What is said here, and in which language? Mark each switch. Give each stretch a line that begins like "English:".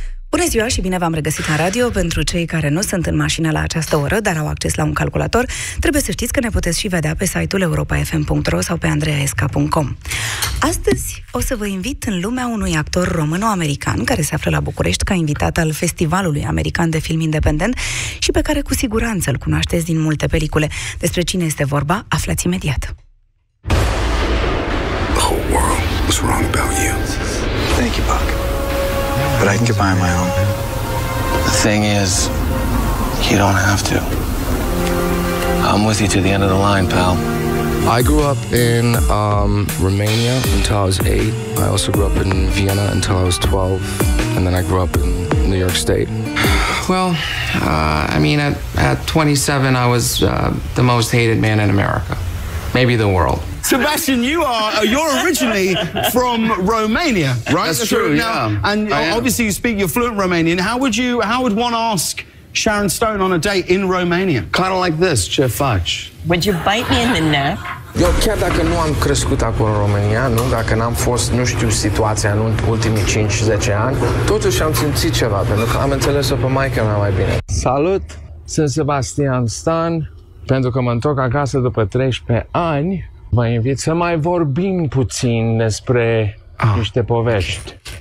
Romanian: Bună ziua și bine v-am regăsit la radio. Pentru cei care nu sunt în mașină la această oră, dar au acces la un calculator, trebuie să știți că ne puteți și vedea pe site-ul europafm.ro sau pe andreaesca.com. Astăzi o să vă invit în lumea unui actor româno-american care se află la București ca invitat al Festivalului American de Film Independent și pe care cu siguranță îl cunoașteți din multe pelicule. Despre cine este vorba, aflați imediat.
English: The whole world was wrong about you. Thank you, Buck. But I can get by on my own. The thing is, you don't have to. I'm with you to the end of the line, pal. I grew up in Romania until I was 8. I also grew up in Vienna until I was 12. And then I grew up in New York State. Well, I mean, at 27, I was the most hated man in America. Maybe the world. Sebastian, you're originally from Romania, right? That's true. Now, yeah, and obviously you speak your fluent Romanian. How would one ask Sharon Stone on a date in Romania? Kind of like this,
Romanian: ce faci?
English: Would you bite me in the neck?
Romanian: Eu chiar dacă nu am crescut acolo în România, nu, dacă n-am fost, nu știu, situația în ultimii 5-10 ani, totuși am simțit ceva, pentru că am înțeles-o pe maica mea mai bine. Salut, sunt Sebastian Stan. Pentru că mă întorc acasă după 13 ani, vă invit să mai vorbim puțin despre niște povești.